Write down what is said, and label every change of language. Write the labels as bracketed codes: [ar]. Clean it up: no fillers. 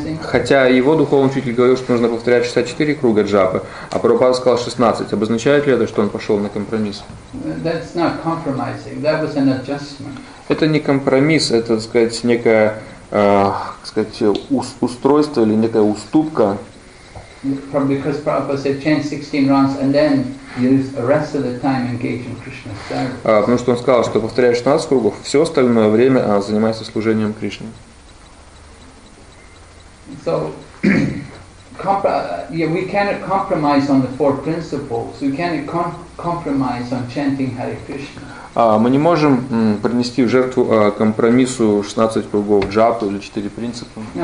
[ru] Хотя его духовный учитель говорил, что нужно повторять 64 круга джапы, а Прабхупада сказал 16. Обозначает ли это, что он пошел на компромисс? [en] That's not compromising. That was an adjustment. [ru] Это не компромисс, это, так сказать, некое, так сказать, устройство или некая уступка. [en] Because Prabhupada said chant 16 rounds and then use the rest of the time engage in Krishna service. [ru] Потому что он сказал, что повторяешь 16 кругов, все остальное время занимайся служением Кришне. [en] So we cannot compromise on the four principles. We cannot compromise on chanting Hare Krishna. [ru] Мы не можем принести в жертву компромиссу 16 кругов джапы или 4 принципа.